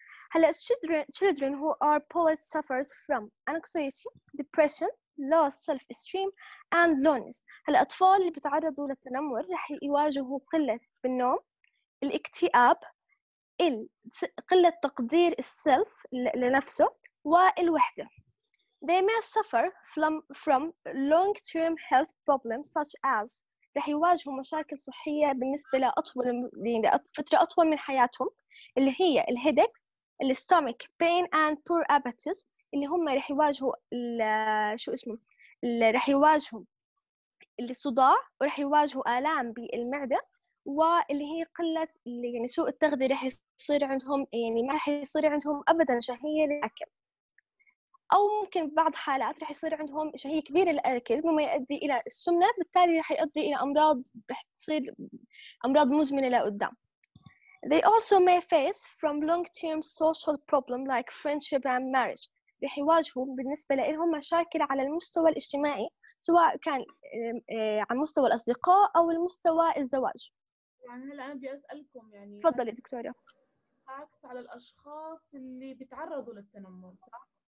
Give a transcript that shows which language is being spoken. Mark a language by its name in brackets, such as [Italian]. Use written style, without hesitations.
[English] هلا children who are bullied suffers from anxiety, depression, low self-esteem, and loneliness. [Arabic] هلا أطفال اللي بتعرضوا للتنمر رح يواجهوا قلة بالنوم, الاكتئاب, قلة تقدير السلف لنفسه, والوحدة. [English] They may suffer from long-term health problems such as [Arabic] رح يواجهوا مشاكل صحية بالنسبة لأطول فترة أطول من حياتهم اللي هي [English] الهيدكس الستومك pain and poor appetite [Arabic] اللي هم رح يواجهوا شو اسمه رح يواجهوا الصداع ورح يواجهوا آلام بالمعدة واللي هي قلة اللي يعني سوء التغذية راح يصير عندهم، يعني ما راح يصير عندهم أبدا شهية للأكل، أو ممكن بعض حالات راح يصير عندهم شهية كبيرة للأكل مما يؤدي إلى السمنة، بالتالي راح يؤدي إلى أمراض، راح تصير أمراض مزمنة لقدام. [English] They also may face from long-term social problem like friendship and marriage. [Arabic] راح يواجهوا بالنسبة لهم مشاكل على المستوى الاجتماعي، سواء كان على مستوى الأصدقاء أو المستوى الزواج. يعني هلا أنا بدي أسألكم، يعني تفضلي دكتورة. حكت على الأشخاص اللي بتعرضوا للتنمر صح؟